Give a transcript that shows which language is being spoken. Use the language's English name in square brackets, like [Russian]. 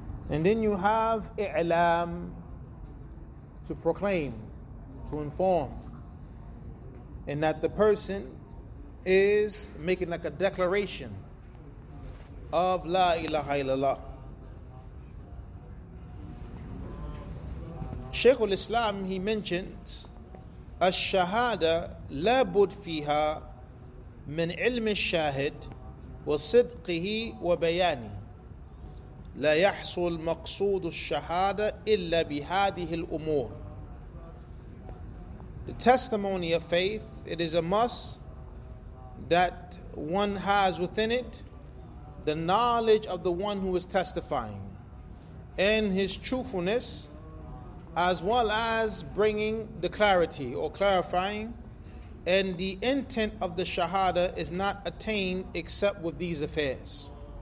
[English] And then you have i'lam, to proclaim, to inform, and that the person is making like a declaration of La ilaha illallah. Shaykh al-Islam, he mentions, [Arabic] الشهادة لابد فيها من علم الشاهد وصدقه وبيانه لا يحصل مقصود الشهادة إلا بهذه الأمور. [English] The testimony of faith, it is a must that one has within it the knowledge of the one who is testifying, in his truthfulness, as well as bringing the clarity or clarifying, and the intent of the Shahada is not attained except with these affairs.